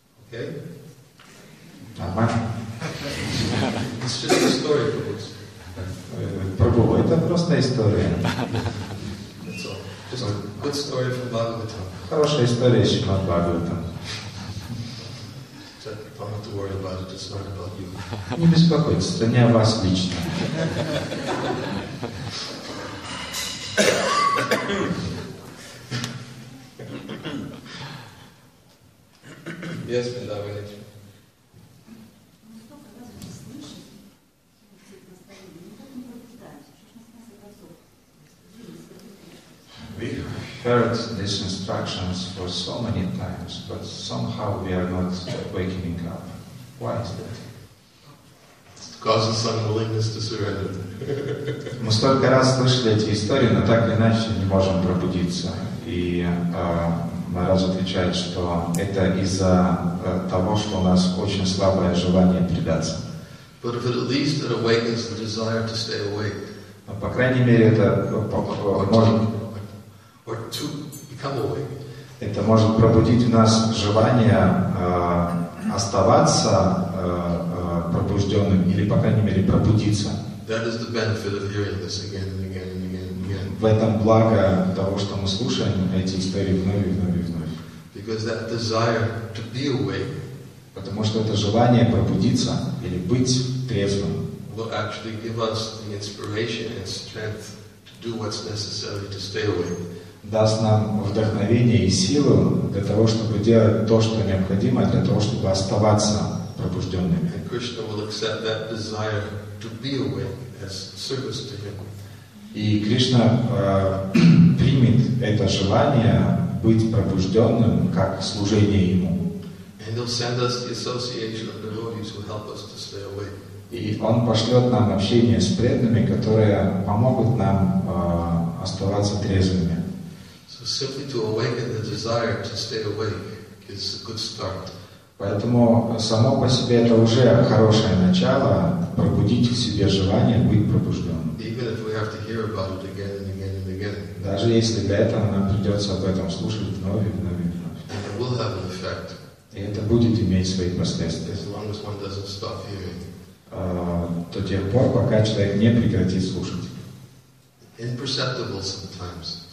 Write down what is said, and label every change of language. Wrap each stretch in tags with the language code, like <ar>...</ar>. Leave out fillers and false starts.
<en>Okay.</en> <ru>Нормально.</ru> <en>It's just a story, please.</en> <ru>Прабху, это просто история.</ru> <en>That's all. Just a good story from Bhagavatam.</en> <ru>Хорошая история из Шримад Бхагаватам.</ru> <en>Don't have to worry about it, it's not about you.</en> <ru>Не беспокойтесь, это не о вас лично.</ru> <en>Yes, Vrindavan. We heard these instructions for so many times, but somehow we are not waking up. Why is that? It's because of some willingness to surrender.</en> <ru>Мы столько раз слышали эти истории, но так или иначе не можем пробудиться. И Махарадж отвечает, что это из-за того, что у нас очень слабое желание предаться.</ru> <en>But if at least it awakens the desire to stay awake.</en> <ru>Но, по крайней мере, это может...</ru> <en>Or to become awake.</en> <ru>Это может пробудить у нас желание оставаться пробужденным или, по крайней мере, пробудиться.</ru> <en>That is the benefit of hearing this again and again and again and again.</en> <ru>В этом благо того, что мы слушаем эти истории вновь и вновь и вновь.</ru> <en>Because that desire to be awake.</en> <ru>Потому что это желание пробудиться или быть трезвым.</ru> <en>Will actually give us the inspiration and strength to do what's necessary to stay awake.</en> <ru>Даст нам вдохновение и силу для того, чтобы делать то, что необходимо, для того, чтобы оставаться пробужденными.</ru> <en>And Krishna will accept that desire to be awake as service to him.</en> <ru>И Кришна примет это желание быть пробужденным как служение ему.</ru> <en>And he'll send us the association of devotees who help us to stay awake.</en> <ru>И он пошлет нам общение с преданными, которые помогут нам оставаться трезвыми.</ru> <en>So simply to awaken the desire to stay awake is a good start.</en> <ru>Поэтому само по себе это уже хорошее начало пробудить в себе желание быть пробужденным.</ru> <en>Even if we have to hear about it again and again and again.</en> <ru>Даже если для этого нам придется об этом слушать вновь и вновь и вновь.</ru> <en>And it will have an effect.</en> <ru>И это будет иметь свои последствия.</ru> <en>As long as one doesn't stop hearing.</en> <ru>До тех пор, пока человек не прекратит слушать.</ru> <en>Imperceptible sometimes.</en>